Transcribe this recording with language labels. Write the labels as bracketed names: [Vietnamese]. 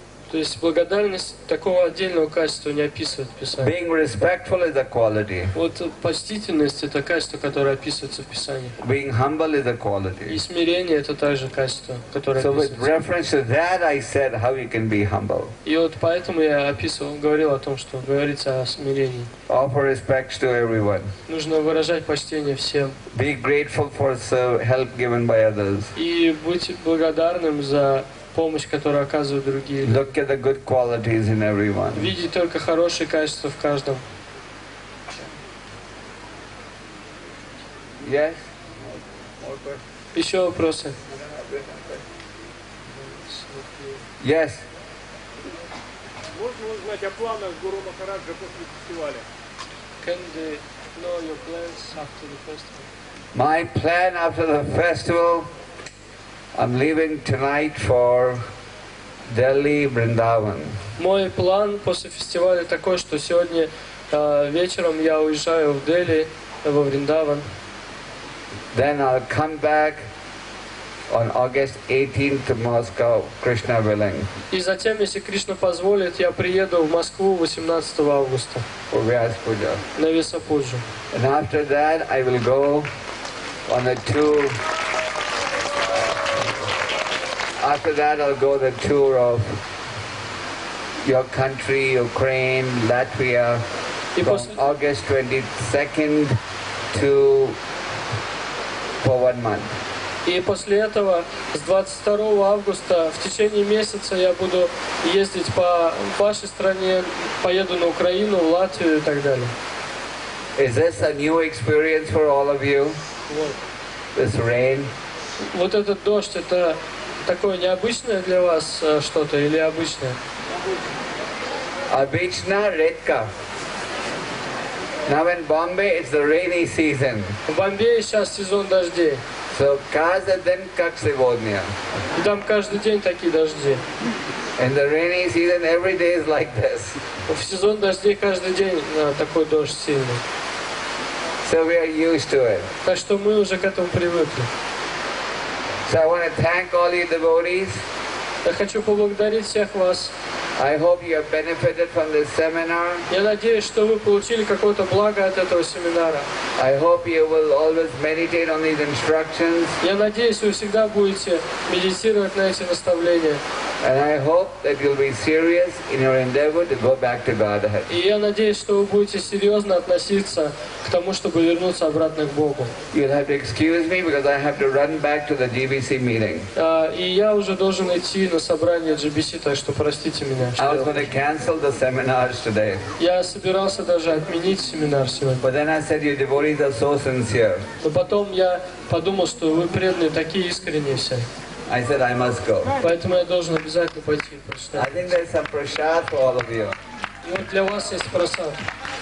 [Russian] То есть благодарность такого отдельного качества не описывает Писание. [English] Being respectful is a quality. [Russian] Вот почтительность — это качество, которое описывается в Писании. [English] Being humble is a quality. [Russian] И смирение — это также качество, которое описывается. [English] So with reference to that, I said how you can be humble. [Russian] И вот поэтому я описывал, говорил о том, что говорится о смирении. [English] Offer respects to everyone. [Russian] Нужно выражать почтение всем. [English] Be grateful for the help given by others. [Russian] И быть благодарным за помощь, которую оказывают другие. [English] Look at the good qualities in everyone. [Russian] Видеть только хорошие качества в каждом. [English] Yes? [Russian] Еще вопросы? [English] Yes. [Russian] Можно узнать о планах Гуру Махараджа после фестиваля? [English] Can they know your plans after the festival? My plan after the festival I'm leaving tonight for Delhi, Vrindavan. [Russian] Мой план после фестиваля такой, что сегодня вечером я уезжаю в Дели, во Вриндаван. [English] Then I'll come back on August 18th to Moscow, Krishna willing. [Russian] И затем, если Кришна позволит, я приеду в Москву 18 августа. [English] For Vyaspuja. [Russian] На Весапуджу. [English] And after that, I will go on a tour. After that, I'll go the tour of your country, Ukraine, Latvia, from August 22nd to for 1 month. [Russian] И после этого, с 22 августа, в течение месяца я буду ездить по вашей стране, поеду на Украину, Латвию и так далее. [English] Is this a new experience for all of you? What? This rain? [Russian] Вот этот дождь, это такое необычное для вас что-то или обычное? Обычно, редко. [English] Now in Bombay, it's the rainy season. [Russian] В Бомбее сейчас сезон дождей. So, каждый день как сегодня. И там каждый день такие дожди. [English] In the rainy season, every day is like this. [Russian] В сезон дождей каждый день такой дождь сильный. [English] So we are used to it. [Russian] Так что мы уже к этому привыкли. [English] So I want to thank all you devotees. [Russian] Я хочу поблагодарить всех вас. [English] I hope you have benefited from this seminar. [Russian] Я надеюсь, что вы получили какое-то благо от этого семинара. [English] I hope you will always meditate on these instructions. [Russian] Я надеюсь, вы всегда будете медитировать на эти наставления. [English] And I hope that you'll be serious in your endeavor to go back to Godhead. [Russian] И я надеюсь, что вы будете серьезно относиться к тому, чтобы вернуться обратно к Богу. [English] You'll have to excuse me because I have to run back to the GBC meeting. [Russian] И я уже должен идти на собрание GBC, так что простите меня. [English] I was going to cancel the seminars today. [Russian] Я собирался даже отменить семинар сегодня. [English] But then I said, your devotees are so sincere. [Russian] Но потом я подумал, что вы преданные такие искренние все. [English] I said I must go. [Russian] Поэтому я должен обязательно пойти. [English] I think there's some prasad for all of you. [Russian] И вот для вас есть прасад.